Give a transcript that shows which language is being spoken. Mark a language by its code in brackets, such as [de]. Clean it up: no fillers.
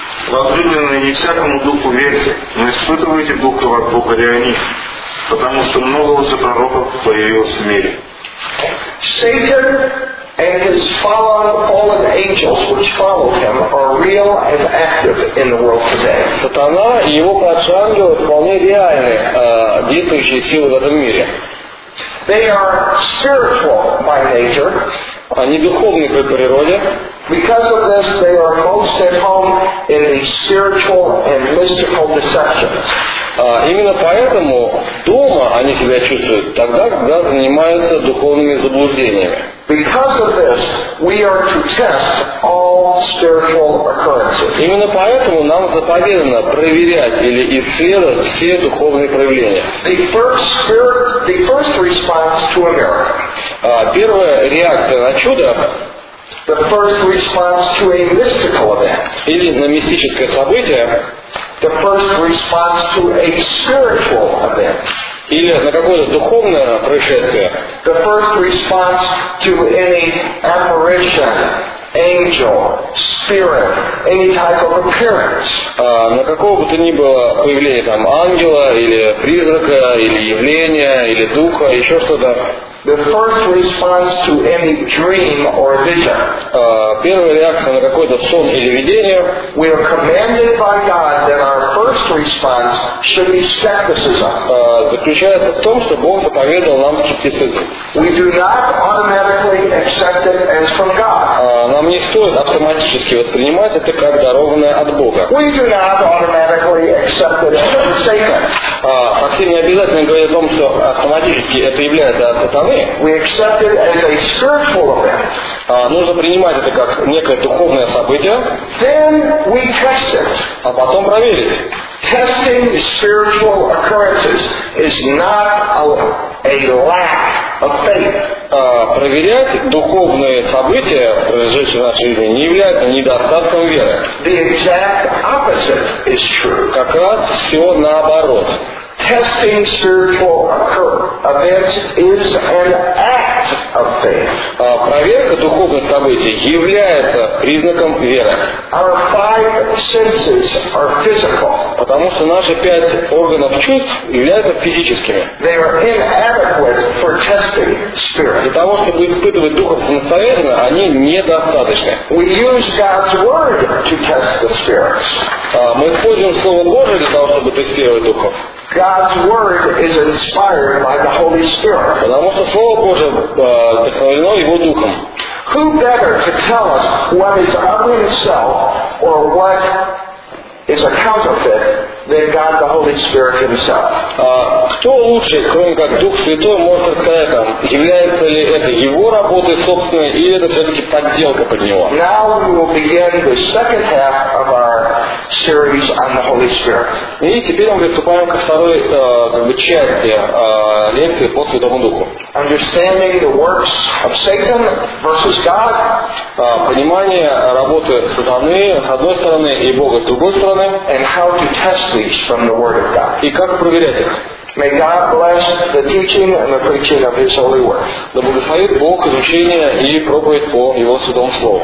[ru] Возлюбленные, не всякому духу верьте, но испытывайте духов от Бога ли они, потому что много уже пророков появилось в мире. [en] Satan And his following all of the angels which follow him are real and active in the world today. [ru] Сатана и его подчангелы вполне реальны, действующие силы в этом мире. [en] They are spiritual by nature. [ru] Они духовны по природе. [en] Because of this, they are most at home in the spiritual and mystical deceptions. [ru] Именно поэтому дома они себя чувствуют тогда, когда занимаются духовными заблуждениями. [en] Because of this, we are to test all spiritual occurrences. [ru] Именно поэтому нам заповедано проверять или исследовать все духовные проявления. [en] The first response to a miracle. [ru] Первая реакция на чудо. [en] The first response to a mystical event. [ru] Или на мистическое событие. [en] The first response to a spiritual event. [ru] Или на какое-то духовное происшествие. [en] The first response to any apparition, angel, spirit, any type of appearance. [ru] На какого бы то ни было появление там ангела или призрака или явления или духа, еще что-то. [en] The first response to any dream or vision. [ru] Первая реакция на какой-то сон или видение. [en] We are commanded by God that our first response should be skepticism. [ru] Заключается в том, что Бог заповедовал нам скептицизм. [en] We do not automatically accept it as from God. [ru] Нам не стоит автоматически воспринимать это как дарованное от Бога. [en] We do not automatically accept it as from Satan. [ru] Максим не обязательно говорит о том, что автоматически это является сатаной. [en] We accept it as a spiritual event. [ru] Нужно принимать это как некое духовное событие. [en] Then we test it. [ru] А потом проверить. [en] Testing spiritual occurrences is not a lack of faith. [ru] Проверять духовные события, произошедшие в нашей жизни, не является недостатком веры. [en] The exact opposite is true. [ru] Как раз все наоборот. [en] Testing spiritual events is an act of faith. [ru] Проверка духовных событий является признаком веры. [en] Our five senses are physical. [ru] Потому что наши пять органов чувств являются физическими. [en] They are inadequate for testing spirit. [ru] Для того, чтобы испытывать духов самостоятельно, они недостаточны. [en] We use God's word to test the spirits. [ru] Мы используем Слово Божие для того, чтобы тестировать духов. [en] God's word is inspired by the Holy Spirit. [ru] Потому что Слово Божие вдохновлено Его Духом. [en] Who better to tell us what is ugly in itself or what is a counterfeit than God the Holy Spirit Himself? [ru] Кто лучше, кроме как Дух Святой, может рассказать нам, является ли это Его работой собственной или это все-таки подделка под Него? [en] Now we will begin the second half of our series on the Holy Spirit. [ru] И теперь мы приступаем ко второй части лекции по Святому Духу. [en] Understanding the works of Satan versus God. [ru] Понимание работы сатаны с одной стороны и Бога с другой стороны. [en] And how to test these from the Word of God. [ru] И как проверять их? [en] May God bless the teaching and the preaching of His Holy Word. [ru] Да благословит Бог изучение и проповедь по Его Святому Слову.